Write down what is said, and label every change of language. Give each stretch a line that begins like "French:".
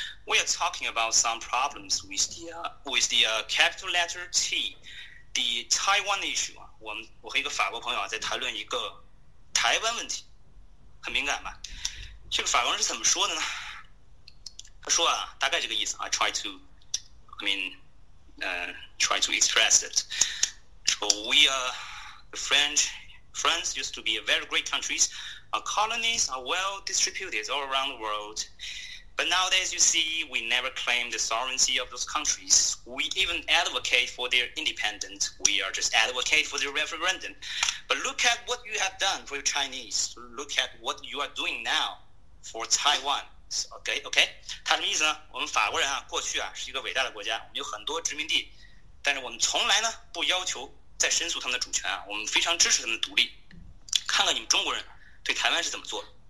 English: We are talking about some problems with the capital letter T， the Taiwan issue 啊。
Chinese: 我和一个法国朋友啊在谈论一个台湾问题，很敏感吧？这个法国人是怎么说的呢？他说啊，大概这个意思啊
English: try to express it. So we are the French. France used to be a very great country. Our colonies are well distributed all around the world. But nowadays, you see, we never claim the sovereignty of those countries. We even advocate for their independence. We are just advocate for their referendum. But look at what you have done for your Chinese. Look at what you are doing now for Taiwan.
Chinese: OK， 他什么意思呢？我们法国人啊，过去啊是一个伟大的国家，我们有很多殖民地，但是我们从来呢不要求再申诉他们的主权啊，我们非常支持他们的独立。看看你们中国人对台湾是怎么做的。